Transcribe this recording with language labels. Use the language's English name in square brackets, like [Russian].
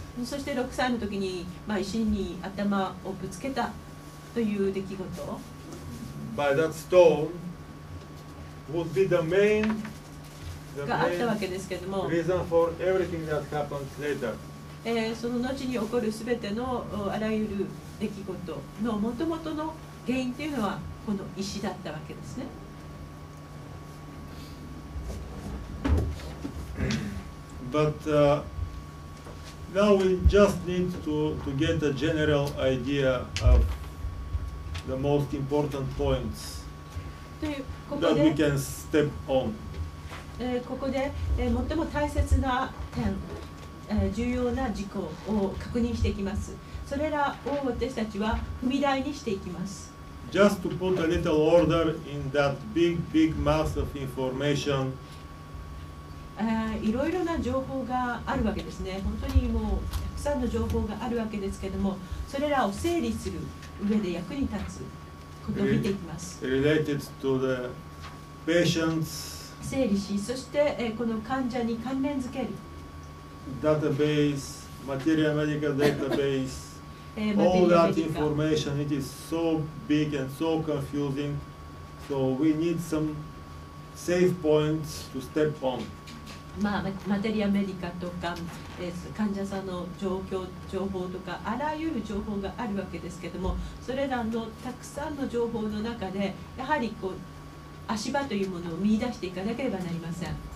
[Japanese] そして6歳の時に、まあ、石に頭をぶつけた。という出来事。 [English] By that stone would be the main, reason for everything that happens later. [Japanese] その後に起こるすべてのあらゆる出来事の元々の原因というのはこの石だったわけですね。 [English] But, now we just need to get a general idea ofThe most important points that we can step on. [Japanese] ここで最も大切な点、重要な事項を確認していきます。それらを私たちは踏み台にしていきます。 [English] Just to put a little order in that big, big mass of information. [Japanese] いろいろな情報があるわけですね。本当にもうたくさんの情報があるわけですけれども、それらを整理する。 [English] Related to the patients, [Japanese] 整理し、そしてこの患者に関連付ける。 [English] Database, material medical database, all that information, it is so big and so confusing. So we need some safe points to step on. [Japanese] まあ、マテリアメディカとか、患者さんの状況情報とかあらゆる情報があるわけですけれども、それらのたくさんの情報の中でやはりこう足場というものを見出していかなければなりません。